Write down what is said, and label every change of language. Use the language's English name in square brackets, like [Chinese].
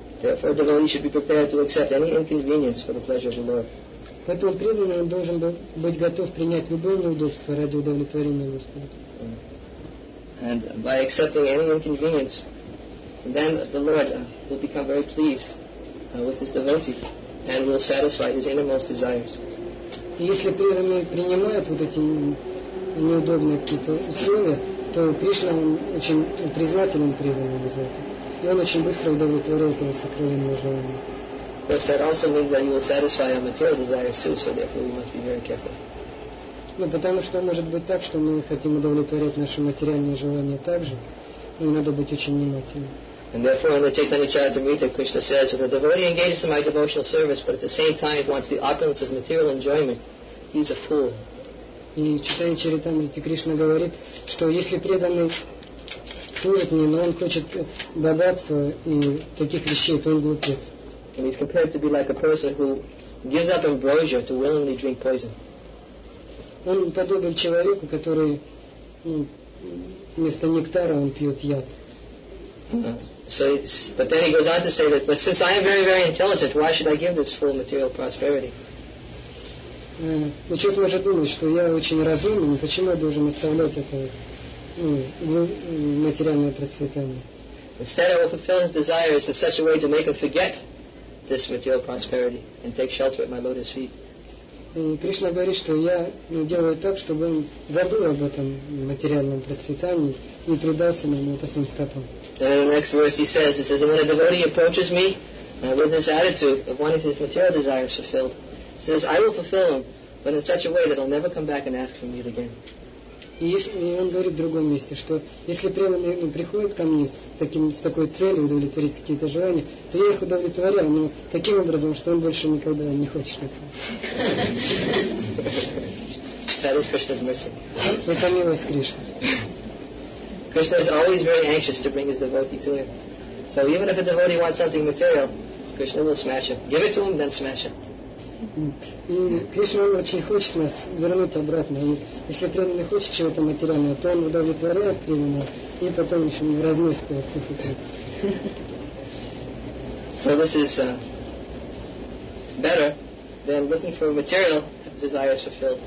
[English] Therefore, devotee should be prepared to accept any inconvenience for the pleasure of the Lord. [Russian] Поэтому преданный должен быть готов принять любое неудобство ради удовлетворения Господа. [English] And by accepting any inconvenience, then the Lord will become very pleased with his devotee and will satisfy his innermost desires. [Russian] И если преданный принимает вот эти неудобные какие-то условия, то Кришна очень признателен преданному за это. И он очень быстро удовлетворил этого сокровенного желания. [English] Of course, that also means that you will satisfy our material desires too, so therefore we must be very careful. [Russian] Ну, потому что может быть так, что мы хотим удовлетворять наши материальные желания также, и надо быть очень внимательным. [English] And therefore, in the Chaitanya Charitamrita, Krishna says, if a devotee engages in my devotional service, but at the same time wants the opulence of material enjoyment, he's a fool. [Russian] И в Chaitanya Charitamrita Krishna говорит, что если преданный служит мне, но он хочет богатства и таких вещей, то он глупец. [English] And he's compared to be like a person who gives up ambrosia to willingly drink poison. [Russian] Он подобен человеку, который вместо нектара он пьет яд. [English] But then he goes on to say that, but since I am very, very intelligent, why should I give this full material prosperity? [Russian] Учет может думать, что я очень разумен, почему я должен оставлять это материальное процветание? [English] Instead, I will fulfill his desires in such a way to make him forget this material prosperity and take shelter at my lotus feet. [Russian] И Кришна говорит, что я делаю так, чтобы он забыл об этом материальном процветании и предался моему лотосным стопам. [English] And in the next verse he says, it says, when a devotee approaches me with this attitude of wanting his material desires fulfilled, he says, I will fulfill them, but in such a way that he'll never come back and ask for me again. [Russian] И он говорит в другом месте, что если преданный приходит ко мне с такой целью удовлетворить какие-то желания, то я их удовлетворяю, но таким образом, что он больше никогда не хочет этого. [English] That is Krishna's mercy. [Russian] Это милость Кришны. [English] Krishna is always very anxious to bring his devotee to him. So even if a devotee wants something material, Krishna will smash it. Give it to him, then smash it. [Russian] И Кришна очень хочет нас вернуть обратно. И если преданный хочет чего-то материального, то он удовлетворяет преданного и потом еще разносит его. [English] So this is better than looking for material desires fulfilled.